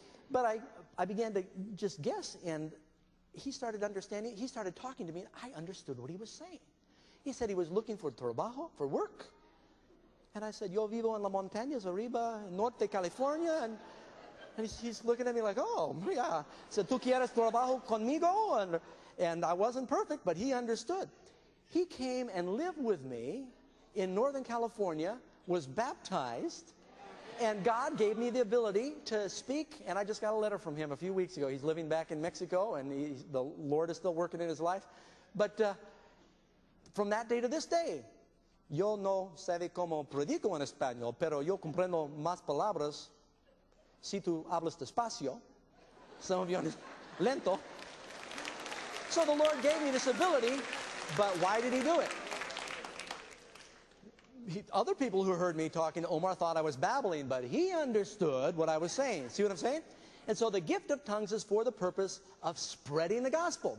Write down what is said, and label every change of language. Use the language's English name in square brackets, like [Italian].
[English] But I began to just guess, and he started understanding. He started talking to me, and I understood what he was saying. He said he was looking for trabajo, for work. And I said, [Spanish] yo vivo en la montañas arriba, Norte, California. [English] And he's looking at me like, oh, yeah. I said, [Spanish] tú quieres trabajo conmigo? [English] And I wasn't perfect, but he understood. He came and lived with me in Northern California, was baptized, and God gave me the ability to speak. And I just got a letter from him a few weeks ago. He's living back in Mexico, and the Lord is still working in his life. But from that day to this day, [Spanish] yo no sabe cómo predico en español, pero yo comprendo más palabras si tú hablas despacio. [English] Some of you are lento. So the Lord gave me this ability, but why did he do it? Other people who heard me talking to Omar thought I was babbling, but he understood what I was saying. See what I'm saying? And so the gift of tongues is for the purpose of spreading the gospel.